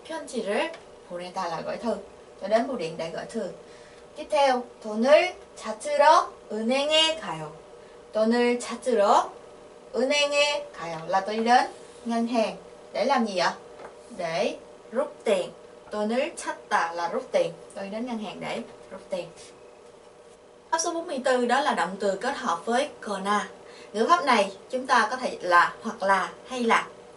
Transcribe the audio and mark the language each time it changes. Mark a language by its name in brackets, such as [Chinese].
[Korean] 편지를 보내다 [Vietnamese] là gửi thư. Tôi đến bưu điện để gửi thư. Tiếp theo, [Korean] 돈을 찾으러 은행에 가요. 돈을 찾으러 은행에 가요. [Vietnamese] Là tôi đi đến ngân hàng để làm gì ạ? Để rút tiền. [Korean] 돈을 찾다 [Vietnamese] là rút tiền. Tôi đi đến ngân hàng để rút tiền. Pháp số 44 đó là động từ kết hợp với 거나. Ngữ pháp này chúng ta có thể là hoặc là hay là.